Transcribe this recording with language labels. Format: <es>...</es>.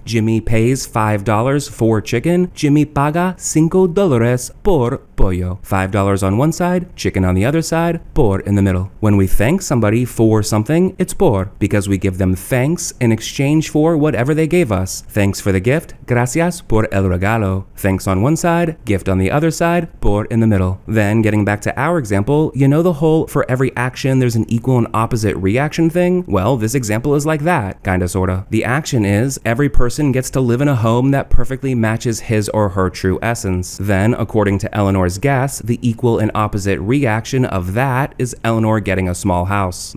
<en>Jimmy pays $5 for chicken.</en> <es>Jimmy paga $5 por pollo.</es> <en>$5 on one side, chicken on the other side, por in the middle. When we thank somebody for something, it's por, because we give them thanks in exchange for whatever they gave us. Thanks for the gift,</en> <es>gracias por el regalo.</es> <en>Thanks on one side, gift on the other side, por in the middle. Then, getting back to our example, you know the whole "for every action, there's an equal and opposite reaction" thing? Well, this example is like that, kinda sorta. The action is, every person gets to live in a home that perfectly matches his or her true essence. Then, according to Eleanor's guess, the equal and opposite reaction of that is Eleanor getting a small house.</en>